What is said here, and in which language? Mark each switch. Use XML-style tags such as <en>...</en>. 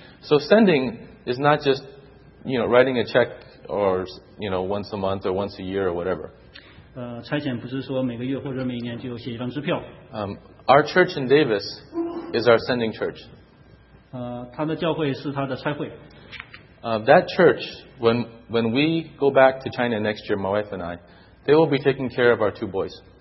<en>So sending is not just, you know, writing a check or, you know, once a month or once a year or whatever.</en> <zh>差遣不是说每个月或者每年就写一张支票。</zh> <en>Our church in Davis is our sending church.</en> <zh>他的教会是他的差会。</zh> <en>That church, when we go back to China next year, my wife and I, they will be taking care of our two boys.</en>